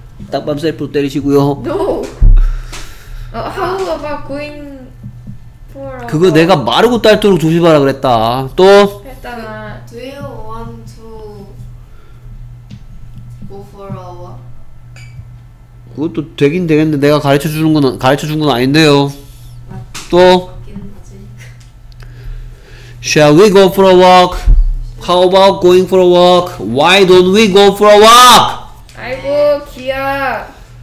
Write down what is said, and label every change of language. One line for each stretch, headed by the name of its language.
Korean: 딱밤 셀프로 때리시고요.
English: No. How about going for a walk?
Korean: 그거 내가 마르고 딸도록 조심하라 그랬다. 또. 했잖아.
English: Do you want to go for a walk?
Korean: 그것도 되긴 되겠는데 내가 가르쳐준 건 아닌데요. 또
English: Shall we go for a walk? How about going for a walk? Why don't we go for a walk?
Korean: 아이고 귀야.